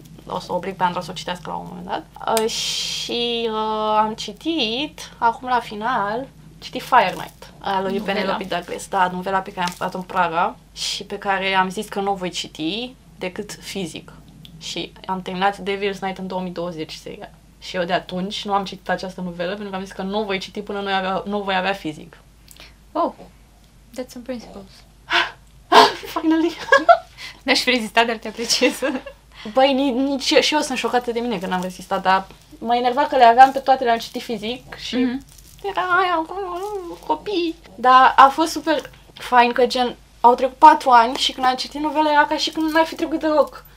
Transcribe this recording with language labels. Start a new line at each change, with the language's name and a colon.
Romanian: o să oblig pe Andra să o citească la un moment dat. Și am citit, acum la final, citit Fire Night, a lui Penelope Douglas. Da, novela pe care am stat în Praga și pe care am zis că nu o voi citi decât fizic. Și am terminat Devil's Night în 2020 seria. Și eu de atunci nu am citit această novelă pentru că am zis că nu voi citi până nu voi avea fizic.
English: Oh, that's some principles. Finally!
Romanian: N-aș fi rezistat, dar te apreciez. Băi, nici și eu sunt șocată de mine că n-am rezistat, dar mă enerva că le aveam pe toate, le-am citit fizic și era aia, copii. Dar a fost super fain că, gen, au trecut 4 ani și când am citit novela era ca și când n-ar fi trecut deloc.